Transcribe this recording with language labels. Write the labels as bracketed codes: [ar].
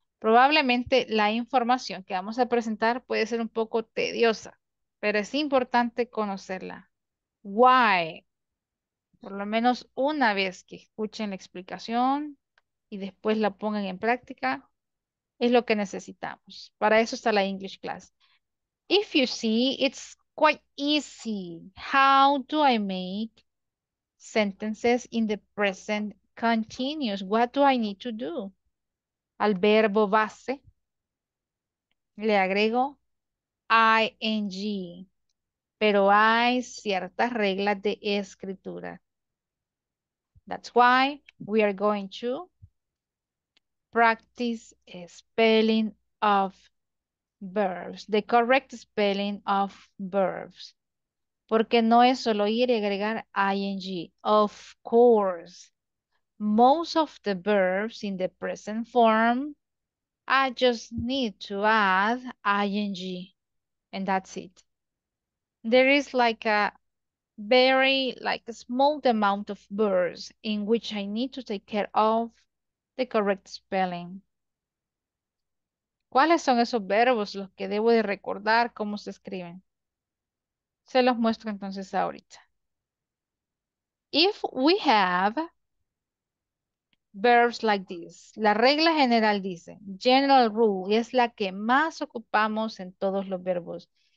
[es] Probablemente la información que vamos a presentar puede ser un poco tediosa, pero es importante conocerla. [en] Why? [es] Por lo menos una vez que escuchen la explicación y después la pongan en práctica, es lo que necesitamos. Para eso está la English class. [en] If you see, it's quite easy. How do I make sentences in the present continuous, what do I need to do? [es] Al verbo base le agrego ing, pero hay ciertas reglas de escritura. [en] That's why we are going to practice spelling of verbs, the correct spelling of verbs, [es] porque no es solo ir y agregar ing, [en] of course. Most of the verbs in the present form, I just need to add ing, and that's it. There is like a very, like a small amount of verbs in which I need to take care of the correct spelling. [es] ¿Cuáles son esos verbos los que debo de recordar cómo se escriben? Se los muestro entonces ahorita. [en] If we have verbs like this. [es] La regla general dice, [en] general rule, [es] y es la que más ocupamos en todos los verbos.